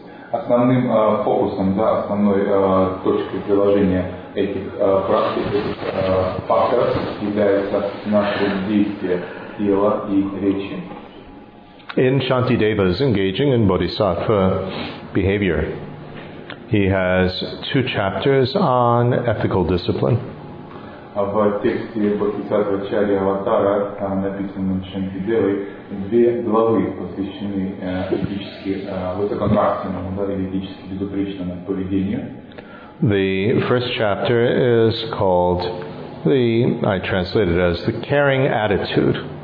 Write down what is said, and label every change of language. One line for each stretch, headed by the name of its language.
Russian: Основным фокусом, да, основной точкой приложения этих практик, этих факторов является наше действие тела и речи.
English: In Shantideva is engaging in bodhisattva behavior. He has two chapters on ethical discipline.
Russian: В тексте Бодхисаттва Ачарьи Аватара, там написано Шантидевой, две главы посвящены этически высоконравственному, да, этически безупречному поведению.
English: The first chapter is called the, I translate it as the caring attitude.